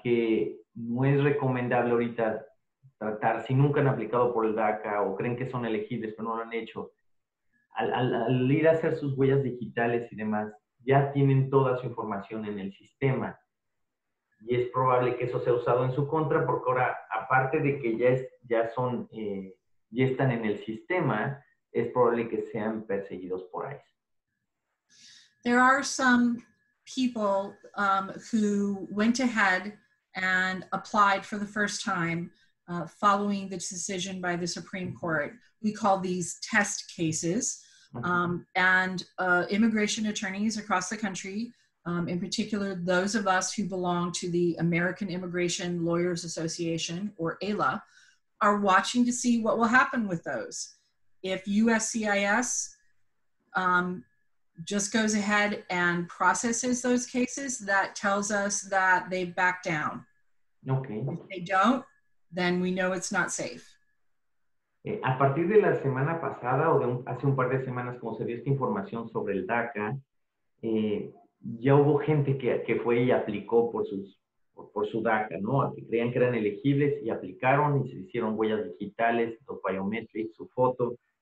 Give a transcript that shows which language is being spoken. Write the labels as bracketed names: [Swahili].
[Spanish] Que no es recomendable ahorita tratar, si nunca han aplicado por el DACA o creen que son elegibles pero no lo han hecho, al ir a hacer sus huellas digitales y demás, ya tienen toda su información en el sistema. Y es probable que eso sea usado en su contra, porque ahora, aparte de que ya son... y están en el sistema, es probable que sean perseguidos por ICE. [English] There are some people who went ahead and applied for the first time following the decision by the Supreme Court. We call these test cases. Immigration attorneys across the country, in particular those of us who belong to the American Immigration Lawyers Association, or AILA, are watching to see what will happen with those. If USCIS just goes ahead and processes those cases, that tells us that they've backed down. Okay. If they don't, then we know it's not safe. [Spanish] A partir de la semana pasada o de hace un par de semanas, como se dio esta información sobre el DACA, ya hubo gente que fue y aplicó por su DACA, ¿no? Que creían que eran elegibles y aplicaron y se hicieron huellas digitales, su biometric, su foto.